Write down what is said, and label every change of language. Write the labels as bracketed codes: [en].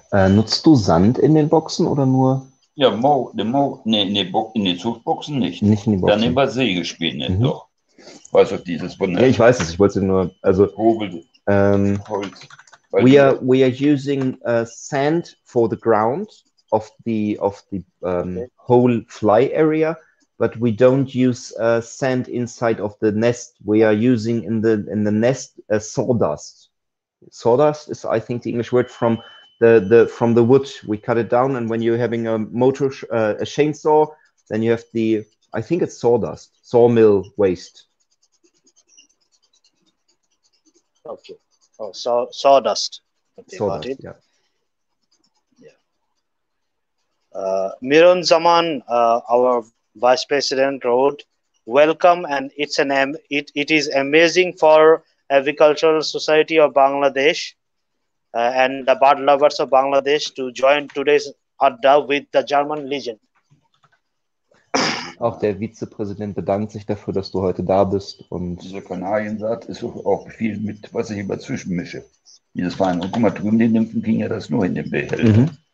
[de] Nutzt du Sand in den Boxen oder nur? Ja, in den Zuchtboxen nicht. Nicht in die Boxen. Dann über Sägespäne doch. Weißt du, dieses Bundes. Ja, ich weiß es. Ich wollte nur, also. Vogel, Holz. [en] We are using sand for the ground of the whole fly area, but we don't use sand inside of the nest. We are using in the nest sawdust. Sawdust is, I think, the English word from the wood. We cut it down, and when you're having a motor a chainsaw, then you have I think it's sawdust, sawmill waste. Okay. Sawdust. Sawdust, yeah. Miron Zaman, our vice president, wrote, welcome, and it is amazing for Avicultural Society of Bangladesh and the bird lovers of Bangladesh to join today's Adda with the German Legion. [de] Auch der Vizepräsident bedankt sich dafür, dass du heute da bist. Und diese Kanariensaat ist auch viel mit, was ich immer zwischenmische. Dieses Fein. Und guck mal, drüben den Nymphen ging ja das nur in den Behälter.